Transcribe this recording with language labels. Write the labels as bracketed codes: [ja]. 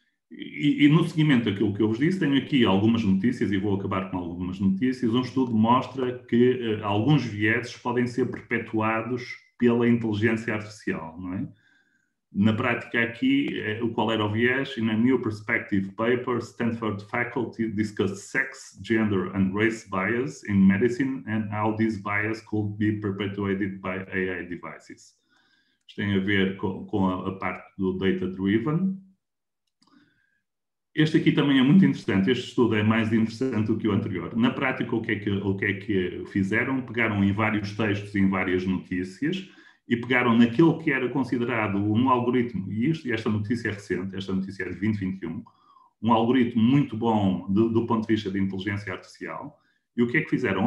[pt] E no seguimento daquilo que eu vos disse, tenho aqui algumas notícias e vou acabar com algumas notícias. Um estudo mostra que alguns vieses podem ser perpetuados pela inteligência artificial, não é? Na prática aqui, qual era o viés? [en] In a new perspective paper, Stanford faculty discussed sex, gender and race bias in medicine and how these biases could be perpetuated by AI devices. [pt] Isto tem a ver com a parte do data-driven. Este aqui também é muito interessante, este estudo é mais interessante do que o anterior. Na prática, o que é que fizeram? Pegaram em vários textos e em várias notícias e pegaram naquele que era considerado um algoritmo, e isto, esta notícia é recente, esta notícia é de 2021, um algoritmo muito bom do ponto de vista de inteligência artificial, e o que é que fizeram?